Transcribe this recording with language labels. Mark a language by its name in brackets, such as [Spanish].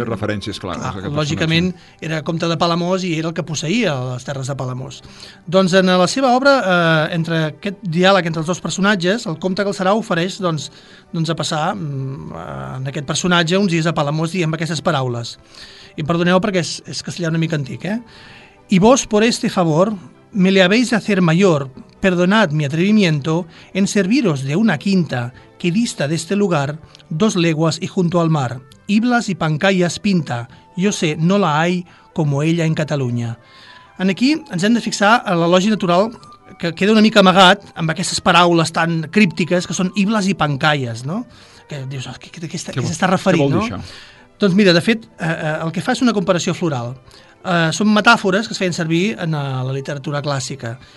[Catalan] Té referències clares. Clar, lògicament personatge. Era comte de Palamós i era el que posseïa les terres de Palamós. Doncs en la seva obra, entre aquest diàleg entre els dos personatges, el comte Galcerà ofereix doncs a passar en aquest personatge uns dies a Palamós i amb aquestes paraules. I perdoneu perquè és castellà una mica antic, [Spanish] I vos, por este favor, me le habéis de hacer mayor, perdonad mi atrevimiento, en serviros de una quinta que dista de este lugar 2 leguas y junto al mar, Iblas y Pancayas pinta, yo sé, no la hay como ella en Cataluña. [Catalan] Aquí ens hem de fixar a l'elogi natural que queda una mica amagat amb aquestes paraules tan críptiques que són Iblas i Pancayas, no? Que dius, què s'està referint, no? Doncs mira, de fet, el que fa és una comparació floral. Són metàfores que es feien servir en la literatura clàssica.